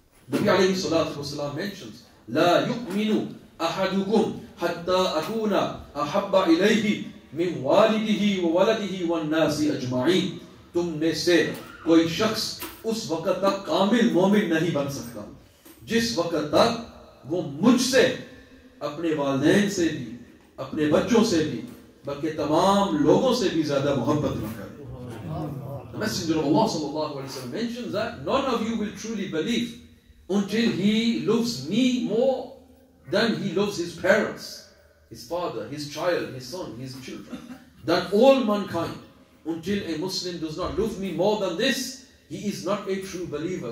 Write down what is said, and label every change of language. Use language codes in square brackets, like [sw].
[en] Nabi alayhi salatu wasalam mentions, [ar] لا يؤمن أحدكم حتى أكون أحب إليه من والده وولده والناس اجمعين, [ur] تم میں سے کوئی شخص اس وقت تک کامل مومن نہیں بن سکتا جس وقت تک وہ مجھ سے, اپنے والدین سے بھی, اپنے بچوں سے بھی, بلکہ تمام لوگوں سے بھی زیادہ محبت رکھے. [en] The Messenger of Allah sallallahu alaihi wasallam mentions that none of you will truly believe until he loves me more than he loves his parents, his father, his child, his son, his children, than all mankind. Until a Muslim does not love me more than this, he is not a true believer.